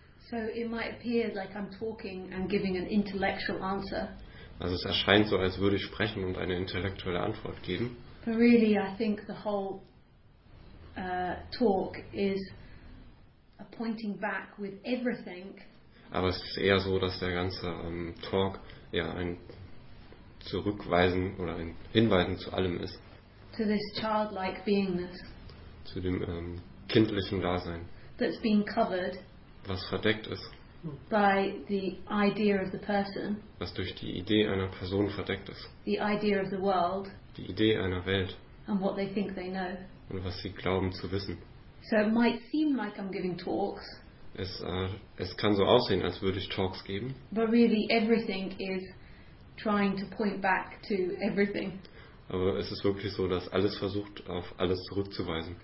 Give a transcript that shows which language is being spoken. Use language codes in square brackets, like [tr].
[en] So it might appear like I'm talking and giving an intellectual answer. [de] Also es erscheint so, als würde ich sprechen und eine intellektuelle Antwort geben. [en] But really, I think the whole talk is a pointing back with everything. [de] Aber es ist eher so, dass der ganze Talk ja ein Zurückweisen oder ein Hinweisen zu allem ist. [en] To this childlike beingness. [de] Zu dem kindlichen Dasein. [en] That's being covered. [de] Was verdeckt ist. [en] By the idea of the person. [de] Was durch die Idee einer Person verdeckt ist. [en] The idea of the world. [de] Die Idee einer Welt. [en] And what they think they know. [de] Und was sie glauben zu wissen. [en] So it might seem like I'm giving talks. [de] Es kann so aussehen, als würde ich Talks geben. [en] But really everything is trying to point back to everything. [de] Aber es ist wirklich so, dass alles versucht, auf alles zurückzuweisen.